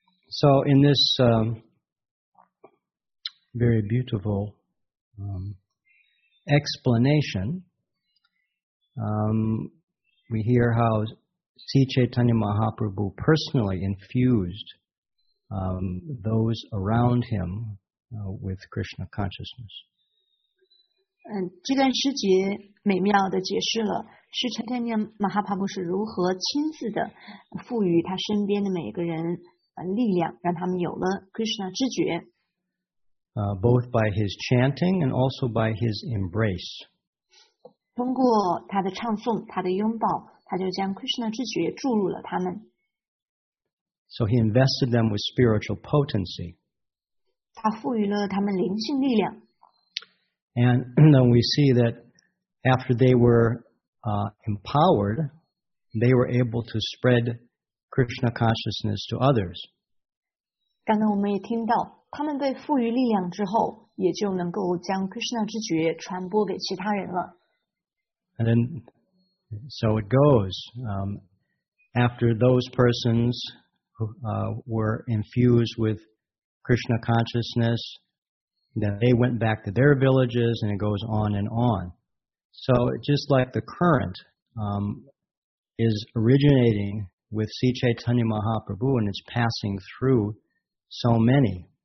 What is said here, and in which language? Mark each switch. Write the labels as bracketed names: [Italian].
[English] So in this very beautiful explanation, we hear how Sri Chaitanya Mahaprabhu personally infused those around him with Krishna consciousness. [Chinese] 这段诗节美妙地解释了是查坦尼亚马哈帕布是如何亲自地赋予他身边的每个人力量，让他们有了 Krishna 知觉。 [English] Both by his chanting and also by his embrace. [Chinese] 通过他的唱诵，他的拥抱，他就将 Krishna 知觉注入了他们。 [English] So he invested them with spiritual potency. [Chinese] 他赋予了他们灵性力量。 [English] And then we see that after they were empowered, they were able to spread Krishna consciousness to others. [Chinese] 刚刚我们也听到，他们被赋予力量之后，也就能够将 Krishna 之觉传播给其他人了。 [English] And then, so it goes. After those persons were infused with Krishna consciousness, then they went back to their villages, and it goes on and on. So just like the current is originating with Sri Chaitanya Mahaprabhu and it's passing through so many.